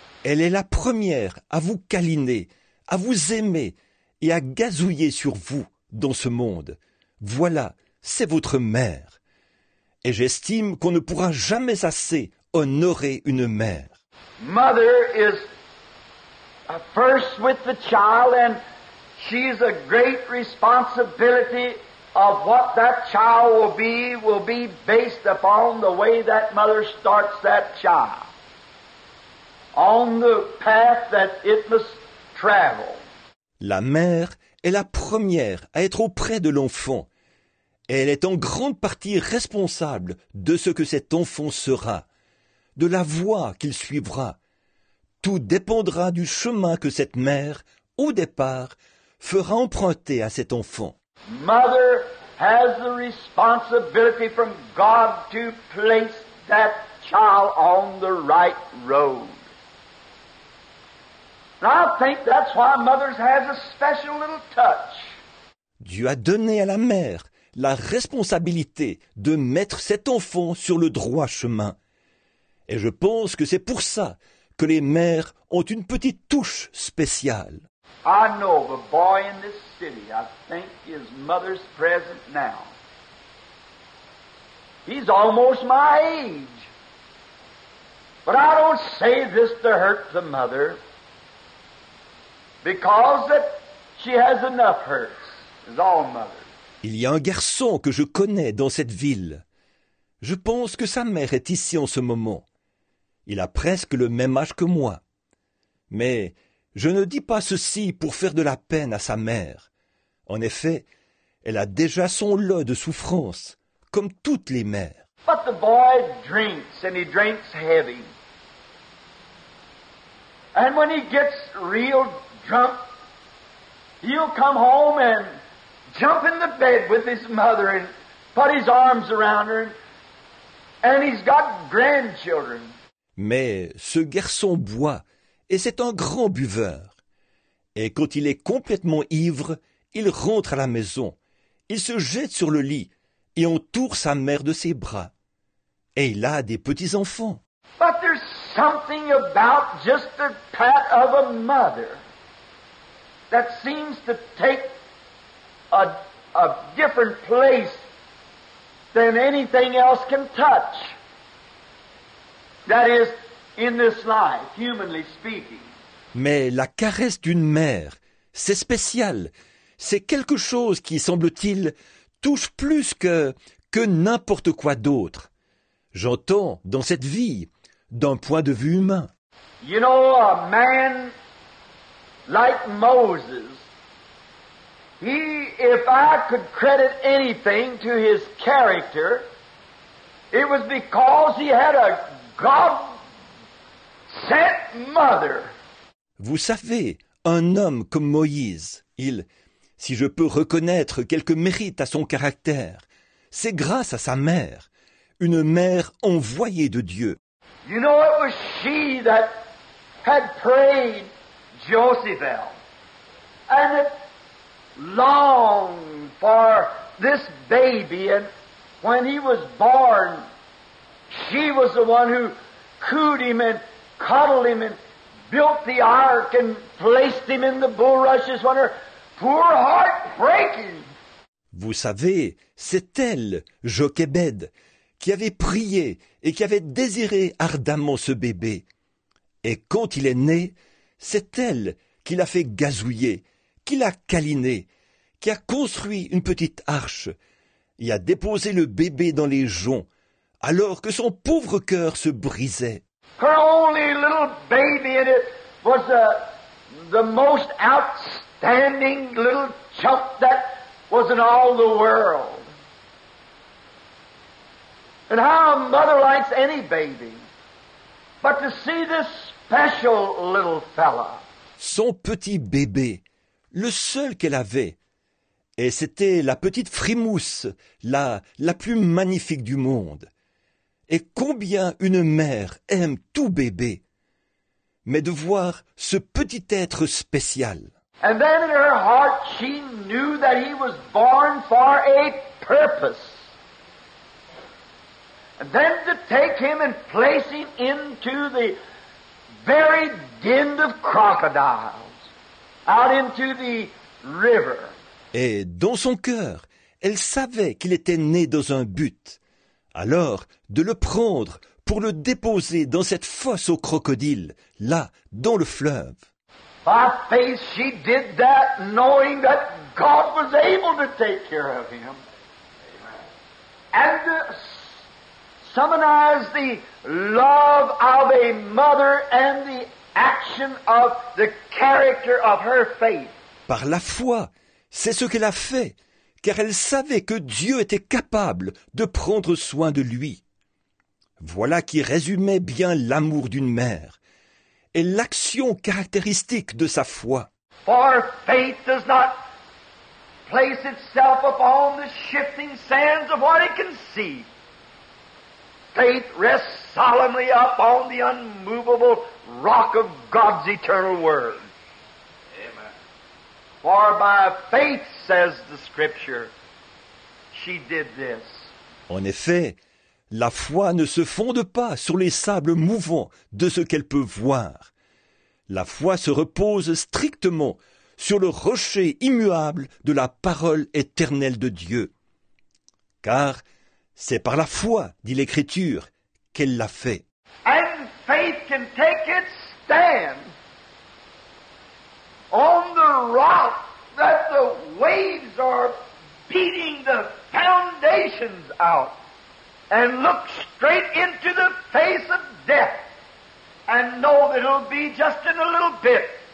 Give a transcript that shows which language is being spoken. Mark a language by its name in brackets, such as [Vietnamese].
[French] Elle est la première à vous câliner, à vous aimer et à gazouiller sur vous dans ce monde. Voilà, c'est votre mère. Et j'estime qu'on ne pourra jamais assez honorer une mère. [English] Mother is first with the child, and she's a great responsibility of what that child will be based upon the way that mother starts that child, on the path that it must travel. [French] La mère est la première à être auprès de l'enfant. Elle est en grande partie responsable de ce que cet enfant sera, de la voie qu'il suivra. Tout dépendra du chemin que cette mère, au départ, fera emprunter à cet enfant. [English] Mother has the responsibility from God to place that child on the right road. I think that's why mothers have a special little touch. [French] Dieu a donné à la mère la responsabilité de mettre cet enfant sur le droit chemin. Et je pense que c'est pour ça que les mères ont une petite touche spéciale. [English] I know of a boy in this city, I think his mother's present now. He's almost my age. But I don't say this to hurt the mother. Because that she has enough hurts, as all mothers. [French] Il y a un garçon que je connais dans cette ville. Je pense que sa mère est ici en ce moment. Il a presque le même âge que moi. Mais je ne dis pas ceci pour faire de la peine à sa mère. En effet, elle a déjà son lot de souffrances, comme toutes les mères. [English] But the boy drinks, and he drinks heavy. And when he gets real drunk, he'll come home and jump in the bed with his mother and put his arms around her, and he's got grandchildren. [French] Mais ce garçon boit, et c'est un grand buveur. Et quand il est complètement ivre, il rentre à la maison, il se jette sur le lit et entoure sa mère de ses bras. Et il a des petits-enfants. [English] But there's something about just the pat of a mother that seems to take a different place than anything else can touch. That is, in this life, humanly speaking. [French] Mais la caresse d'une mère, c'est spécial. C'est quelque chose qui, semble-t-il, touche plus que n'importe quoi d'autre. J'entends, dans cette vie, d'un point de vue humain. [English] You know, a man like Moses, he, if I could credit anything to his character, it was because he had a God-sent mother. [French] Vous savez, un homme comme Moïse, si je peux reconnaître quelque mérite à son caractère, c'est grâce à sa mère, une mère envoyée de Dieu. [English] You know, it was she that had prayed Joseph out and longed for this baby, and when he was born, she was the one who cooed him and cuddled him and built the ark and placed him in the bulrushes when her poor heart breaking. [French] Vous savez, c'est elle, Jochebed, qui avait prié et qui avait désiré ardemment ce bébé. Et quand il est né, c'est elle qui l'a fait gazouiller, qui l'a câliné, qui a construit une petite arche et a déposé le bébé dans les joncs, alors que son pauvre cœur se brisait. [English] Her only little baby, and it was the most outstanding little chump that was in all the world. And how a mother likes any baby. But to see this special little fella. [French] Son petit bébé, le seul qu'elle avait. Et c'était la petite frimousse, la plus magnifique du monde. Et combien une mère aime tout bébé. Mais de voir ce petit être spécial. [English] And then in her heart she knew that he was born for a purpose. And then to take him and place him into the very den of crocodiles, out into the river. [French] Et dans son cœur, elle savait qu'il était né dans un but. Alors, de le prendre pour le déposer dans cette fosse aux crocodiles, là, dans le fleuve. [English] By faith, she did that, knowing that God was able to take care of him. And summonize the love of a mother and the action of the character of her faith. [French] Par la foi, c'est ce qu'elle a fait, car elle savait que Dieu était capable de prendre soin de lui. Voilà qui résumait bien l'amour d'une mère et l'action caractéristique de sa foi. [English] For faith does not place itself upon the shifting sands of what it can see. Faith rests solemnly upon the unmovable rock of God's eternal word. Amen. For by faith, says the scripture, she did this. [French] En effet, la foi ne se fonde pas sur les sables mouvants de ce qu'elle peut voir. La foi se repose strictement sur le rocher immuable de la parole éternelle de Dieu. Car c'est par la foi, dit l'Écriture, qu'elle l'a fait. [English] And faith can take its stand on the rock that the waves are beating the foundations out and look straight into the face of death and know that it'll be just in a little bit.